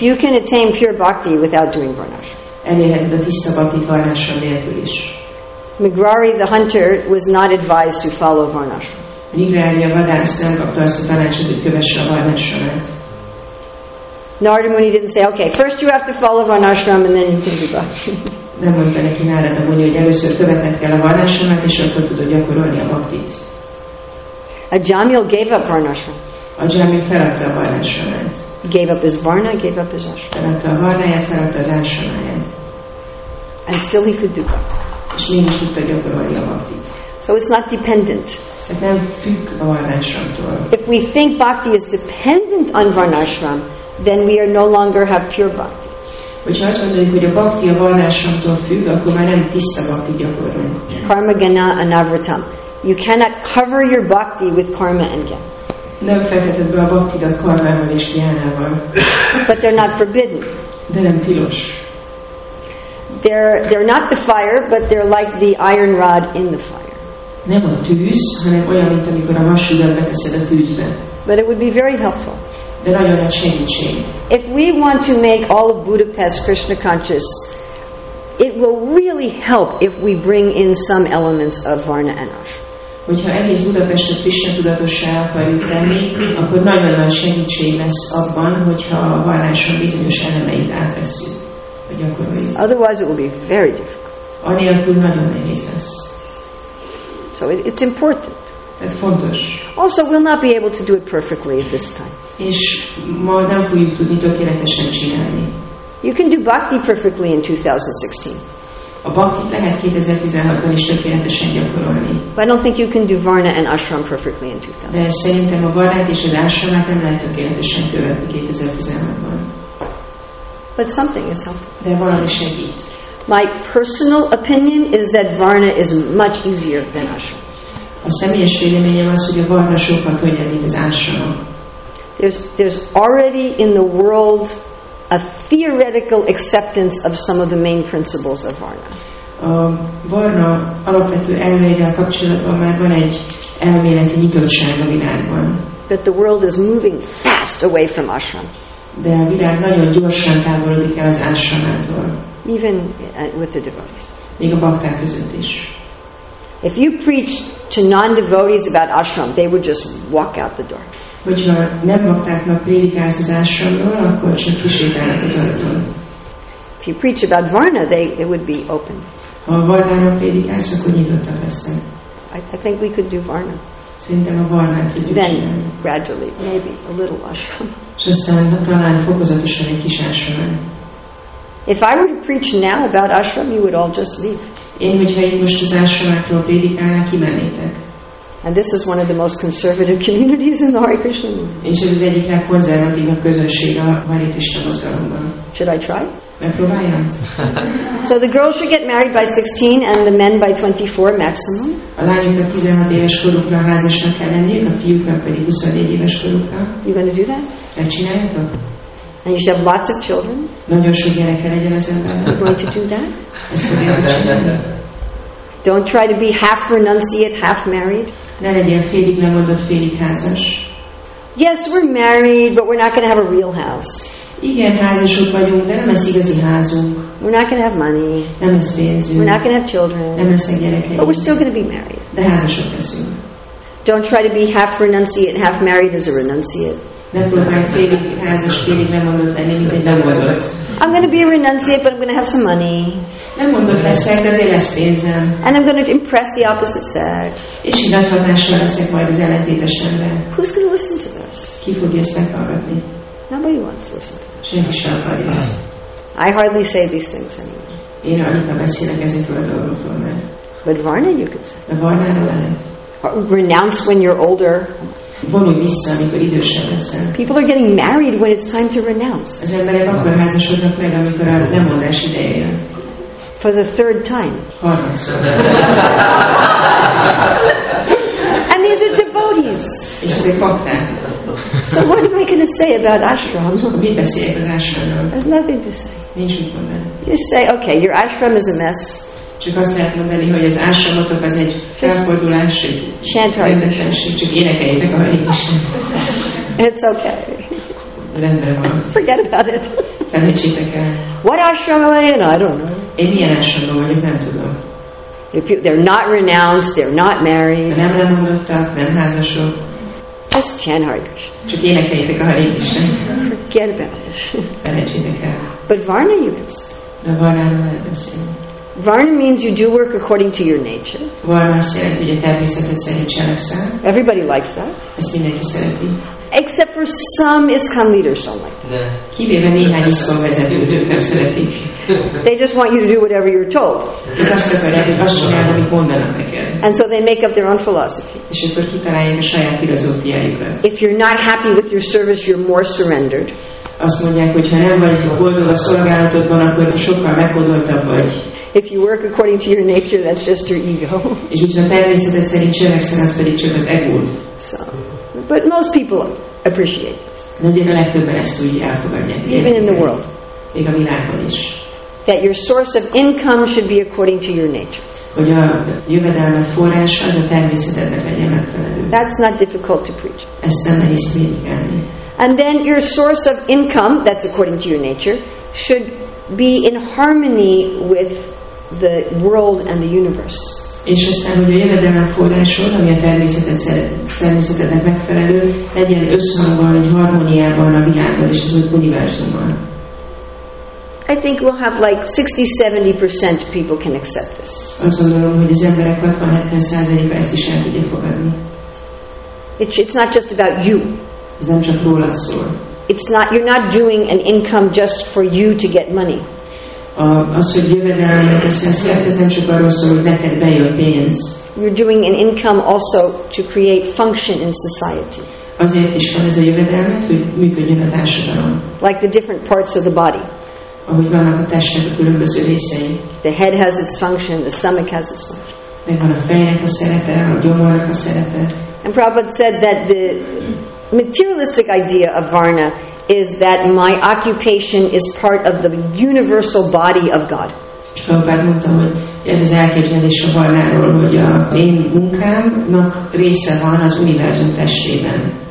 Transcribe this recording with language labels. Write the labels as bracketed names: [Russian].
[English] You can attain pure bhakti without doing varnashram. [Hungarian] Elérheted a tiszta bhaktit varnashram nélkül is. [English] Megrari the hunter was not advised to follow varnashram. [Hungarian] Nigrári a vadász nem kapta azt a tanácsot, hogy kövesse a Varnashramát. [English] Narada Muni didn't say, okay, first you have to follow Varnashram and then you can do that. [Hungarian] Nem mondta neki Narada Muni, hogy először követned kell a Varnashramát, és akkor tudod gyakorolni a bhaktit. [English] Ajamil gave up Varnashram. [Hungarian] Ajamil feladta a Varnashramát. [English] Gave up his varna, gave up his ashram. [Hungarian] Feladta a varnáját, feladta az ashramáját. [English] And still he could do that. [Hungarian] És mégis tudta gyakorolni a bhaktit. [English] So it's not dependent. [Hungarian] Ez nem függ a Varnashramtól. [English] If we think bhakti is dependent on Varnashram, then we are no longer have pure bhakti. [Hungarian] Hogyha azt mondjuk, hogy a bhakti a Varnashramtól függ, akkor már nem tiszta bhakti gyakorlunk. [Sanskrit] Karma gana anavratam. [English] You cannot cover your bhakti with karma and gana. [Hungarian] Nem fekheted be a bhaktidat karmával és gyánával. [English] But they're not forbidden. [Hungarian] De nem tilos. [English] They're not the fire, but they're like the iron rod in the fire. [Hungarian] Nem a tűz, hanem olyan, mint amikor a vasúgat beteszed a tűzbe. [English] But it would be very helpful. [Hungarian] De nagyon nagy segítség. [English] If we want to make all of Budapest Krishna conscious, it will really help if we bring in some elements of Varna and Ashram. [Hungarian] Hogyha egész Budapestet Krishna tudatossá akarjuk tenni, akkor nagyon nagy segítség lesz abban, hogyha a Varna Ashram bizonyos elemeit átveszünk. [English] Otherwise it will be very difficult. [Hungarian] Anélkül nagyon nehéz lesz. [English] So it's important. [Hungarian] Ez fontos. [English] Also, we'll not be able to do it perfectly at this time. [Hungarian] És ma nem fogjuk tudni tökéletesen csinálni. [English] You can do bhakti perfectly in 2016. [Hungarian] A bhaktit lehet 2016-ban is tökéletesen gyakorolni. [English] But I don't think you can do varna and ashram perfectly in 2000. [Hungarian] De szerintem a varnát és az ashramát nem lehet tökéletesen követni 2016-ban. [English] But something is helpful. [Hungarian] De valami segít. [English] My personal opinion is that varna is much easier than ashram. [Hungarian] A személyes véleményem az, hogy a varna sokkal könnyebb, mint az ashram. [English] There's already in the world a theoretical acceptance of some of the main principles of varna. [Hungarian] Varna alapvető elvével kapcsolatban már van egy elméleti nyitottság a világban. [English] But the world is moving fast away from ashram. [Hungarian] De a világ nagyon gyorsan távolodik el az ashramától. [English] Even with the devotees. [Hungarian] Még a bakták között is. [English] If you preach to non-devotees about ashram, they would just walk out the door. [Hungarian] Hogyha nem baktáknak prédikálsz az ashramról, akkor csak kisétálnak az ajtón. [English] If you preach about varna, they would be open. [Hungarian] Ha a varnára prédikálsz, akkor nyitottak lesznek. [English] I think we could do varna. [Hungarian] Szerintem a varnát tudjuk [English] then, [Hungarian] csinálni. [English] Gradually, maybe a little ashram. [Hungarian] És aztán talán fokozatosan egy kis ashram. [English] If I were to preach now about ashram, you would all just leave. [Hungarian] Én, hogyha én most az ashramról prédikálnám, kimennétek. [English] And this is one of the most conservative communities in the Hare Krishna movement. [Hungarian] És ez az egyik legkonzervatívabb közösség a Hare Krishna mozgalomban. [English] Should I try? [Hungarian] Megpróbáljam. [English] So the girls should get married by 16 and the men by 24 maximum. [Hungarian] A lányoknak 16 éves korukra házasnak kell lenniük, a fiúknak pedig 24 éves korukra. [English] You gonna do that? [Hungarian] Elcsináljátok? [English] And you should have lots of children. [Hungarian] Nagyon sok gyereke legyen az embernek. [English] Going to do that? [Hungarian] Ezt fogja elcsinálni. [English] Don't try to be half renunciate, half married. [Hungarian] Ne legyél félig lemondott, félig házas. [English] Yes, we're married, but we're not going to have a real house. [Hungarian] Igen, házasok vagyunk, de nem lesz igazi házunk. [English] We're not going to have money. [Hungarian] Nem lesz pénzünk. [English] We're not going to have children. [Hungarian] Nem leszünk gyerekeink. [English] But we're still going to be married. [Hungarian] De házasok leszünk. [English] Don't try to be half renunciate, half married as a renunciate. [Hungarian] Nem próbálj félig házas, félig lemondott lenni, mint egy lemondott. [English] I'm going to be a renunciate, but I'm going to have some money. [Hungarian] Nem mondott leszek, azért lesz pénzem. [English] And I'm going to impress the opposite sex. [Hungarian] És így nagy hatással leszek majd az ellentétes ember. [English] Who's going to listen to this? [Hungarian] Ki fogja ezt meghallgatni? [English] Nobody wants to listen to this. [Hungarian] Senki sem akarja ezt. [English] I hardly say these things anymore. [Hungarian] Én alig beszélek ezekről a dolgokról, mert... [English] But Varna, you could say. [Hungarian] De Varnára lehet. [English] Renounce when you're older. [Hungarian] Vonulj vissza, amikor idősebb leszel. [English] People are getting married when it's time to renounce. [Hungarian] Az emberek akkor házasodnak meg, amikor a lemondás ideje jön. [English] For the third time. And these are devotees. [Hungarian] És ezek bakták. [English] So what am I going to say about ashram? [Hungarian] Mit beszéljek az ashramról? [English] There's nothing to say. [Hungarian] Nincs mit mondani. [English] You say, okay, your ashram is a mess. [Hungarian] Csak azt lehet mondani, hogy az ashramotok az egy felfordulás, egy rendetlenség, csak énekeljétek a Hare Krishnát. [English] It's okay. [Hungarian] Rendben van. [English] Forget about it. [Hungarian] Felejtsétek el. [English] What ashram am I in? I don't know. [Hungarian] Én milyen ashramban vagyok, nem tudom. [English] If you, they're not renounced, they're not married. [Hungarian] Nem lemondottak, nem házasok. [English] Just can't Hare [Hungarian] Krishnát. Csak énekeljétek a Hare Krishnát. [English] Forget about it. [Hungarian] Felejtsétek el. [English] But Varna you can say. [Hungarian] De Varna lehet beszélni. [English] Varna means you do work according to your nature. [Hungarian] Varna azt jelenti, hogy a természetet szerint cselekszel. [English] Everybody likes that. [Hungarian] Ezt mindenki szereti. [English] Except for some ISKCON leaders don't like that. [Hungarian] Kivéve néhány ISKCON vezetők nem szeretik. [English] They just want you to do whatever you're told. [Hungarian] Ők azt akarják, hogy azt csinálják, amit mondanak neked. [English] And so they make up their own philosophy. [Hungarian] És akkor kitalálják a saját filozófiájukat. [English] If you're not happy with your service, you're more surrendered. [Hungarian] Azt mondják, hogy ha nem vagy boldog a szolgálatodban, akkor sokkal meghódoltabb vagy. [English] If you work according to your nature, that's just your ego. [Hungarian] És hogyha természetet szerint cselekszel, az pedig csak az egód. [English] So, but most people appreciate it. [Hungarian] De azért a legtöbben ezt úgy elfogadják. [English] Even in the world. [Hungarian] Még a világban is. [English] That your source of income should be according to your nature. [Hungarian] Hogy a jövedelmet forrása az a természetednek legyen megfelelő. [English] That's not difficult to preach. [Hungarian] Ezt nem nehéz prédikálni. [English] And then your source of income, that's according to your nature, should be in harmony with the world and the universe. [Hungarian] És aztán, hogy a jövedelem forrásod, ami a természetednek megfelelő, legyen összhangban, hogy harmóniában a világban és az univerzumban. [English] I think we'll have like 60-70% people can accept this. [Hungarian] Azt gondolom, hogy az emberek 60-70%-a ezt is el tudja fogadni. [English] It's not just about you. [Hungarian] Ez nem csak rólad szól. [English] It's not, you're not doing an income just for you to get money. [Hungarian] az, hogy jövedelmet teszünk szert, ez nem csak arról szól, hogy neked bejön pénz. [English] You're doing an income also to create function in society. [Hungarian] Azért is van ez a jövedelmet, hogy működjön a társadalom. [English] Like the different parts of the body. [Hungarian] Ahogy vannak a testnek a különböző részei. [English] The head has its function, the stomach has its function. [Hungarian] Megvan a fejnek a szerepe, a gyomornak a szerepe. [English] And Prabhupada said that the materialistic idea of varna is that my occupation is part of the universal body of God. [Hungarian] És Prabhupada mondta, hogy ez az elképzelés a varnáról, hogy a én munkámnak része van az univerzum testében.